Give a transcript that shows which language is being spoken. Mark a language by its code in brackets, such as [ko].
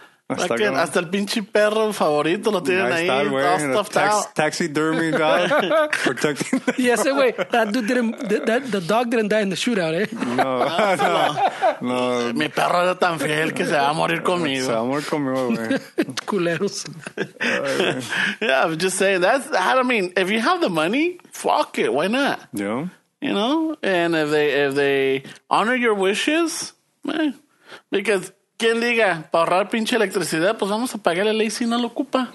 [es] Hasta el pinche perro favorito lo tienen ahí. [en] Taxidermy guy protecting. Yes, yeah, way. That dude didn't. The dog didn't die in the shootout, eh? No. [es] Mi perro era tan fiel que se va a morir conmigo. Se va a morir conmigo, güey. Culeros. [en] Yeah, I'm just saying. I mean, if you have the money, fuck it. Why not? Yeah. You know, and if they honor your wishes, because. [es] ¿Quién diga? Para ahorrar pinche electricidad, pues vamos a pagarle el AC y no lo ocupa.